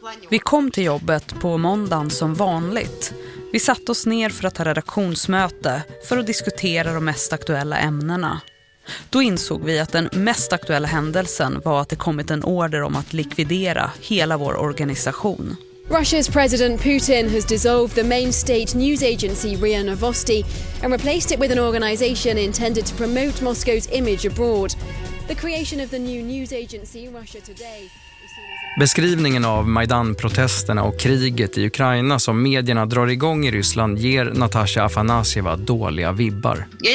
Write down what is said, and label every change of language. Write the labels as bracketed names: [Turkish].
[Swedish] Vi kom till jobbet på måndagen som vanligt. Vi satt oss ner för att ha redaktionsmöte för att diskutera de mest aktuella ämnena. Då insåg vi att den mest aktuella händelsen var att det kommit en order om att likvidera hela vår organisation. [English] Russia's president Putin has dissolved the main state news agency RIA Novosti and replaced it with an organization intended to promote Moscow's image abroad. The creation of the new news agency Russia Today is seen as a... [Swedish] Beskrivningen av Majdan-protesterna och kriget i Ukraina som medierna drar igång i Ryssland ger Natasha Afanasieva dåliga vibbar.